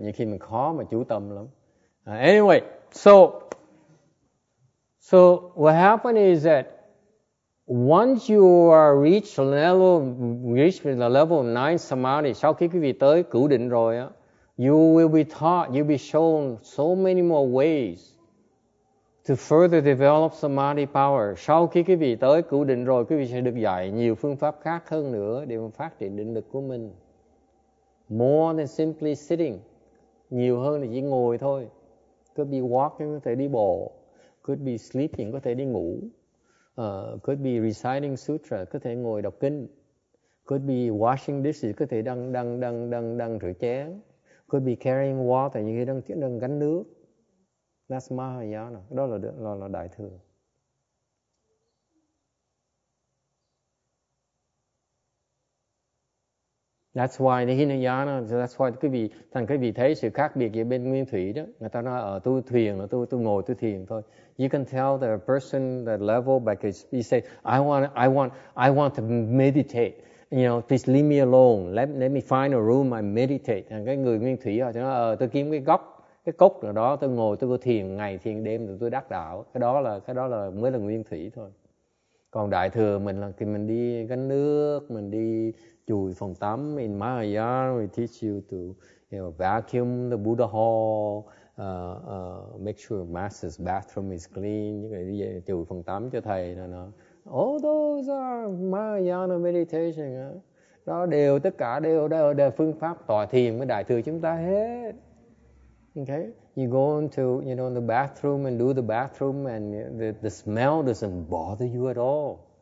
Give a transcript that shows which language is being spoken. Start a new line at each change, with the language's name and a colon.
English: You keep me calm and
Vietnamese: chú tâm lắm.
English: Anyway, so what happened is that once you are reach the level of nine samadhi,
Vietnamese: sau khi quý vị tới cửu định rồi á,
English: you will be taught, you'll be shown so many more ways to further develop samadhi power.
Vietnamese: Sau khi quý vị tới cửu định rồi, quý vị sẽ được dạy nhiều phương pháp khác hơn nữa để mà phát triển định lực của mình.
English: More than simply sitting,
Vietnamese: nhiều hơn là chỉ ngồi thôi.
English: Could be walking,
Vietnamese: có thể đi bộ.
English: could be sleeping,
Vietnamese: có thể đi ngủ,
English: could be reciting sutra,
Vietnamese: có thể ngồi đọc kinh,
English: could be washing dishes,
Vietnamese: có thể đang rửa chén,
English: could be carrying water,
Vietnamese: như khi đang gánh nước.
English: That's Mahayana,
Vietnamese: đó là đại thừa.
English: That's why the Hinayana, that's why
Vietnamese: quý vị, thành quý vị thấy sự khác biệt giữa bên nguyên thủy đó. Người ta nói ở tu thiền, tu ngồi tu thiền thôi.
English: You can tell the person that level because he say, I want to meditate. You know, please leave me alone. Let me find a room I meditate.
Vietnamese: And cái người nguyên thủy họ nói, tôi kiếm cái góc, cái cốc nào đó, tôi ngồi tôi có thiền ngày thiền đêm rồi tôi đắc đạo. Cái đó là mới là nguyên thủy thôi. Còn đại thừa mình là khi mình đi gánh nước, mình đi chùi phòng tắm.
English: In Mahayana, we teach you to, you know, vacuum the Buddha hall, make sure master's bathroom is clean.
Vietnamese: Những cái chùi phòng tắm cho thầy nè nó.
English: All those are Mahayana meditation.
Vietnamese: Đó đều, tất cả đều đều là phương pháp tọa thiền với đại thừa chúng ta hết.
English: Okay, you go into, you know, the bathroom and do the bathroom, and the smell doesn't bother you at all.